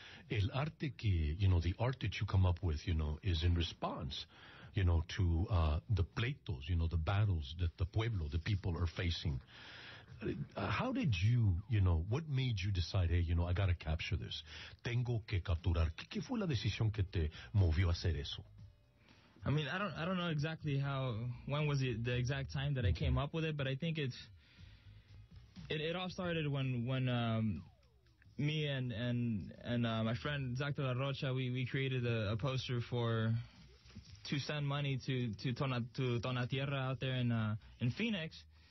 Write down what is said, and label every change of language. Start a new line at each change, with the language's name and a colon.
English: El arte que, you know, the art that you come up with, you know, is in response, you know, to the
Spanish: pleitos,
English: you know, the battles that the
Spanish: pueblo,
English: the people are facing. How did you, you know, what made you decide, hey, you know, I got to capture this?
Spanish: Tengo que capturar. ¿Qué fue la decisión que te movió a hacer eso?
English: I mean, I don't know exactly when was the exact time that I came up with it, but I think it all started when me and my friend Zactor La Rocha, we created a poster for to send money to Tona Tierra out there in Phoenix.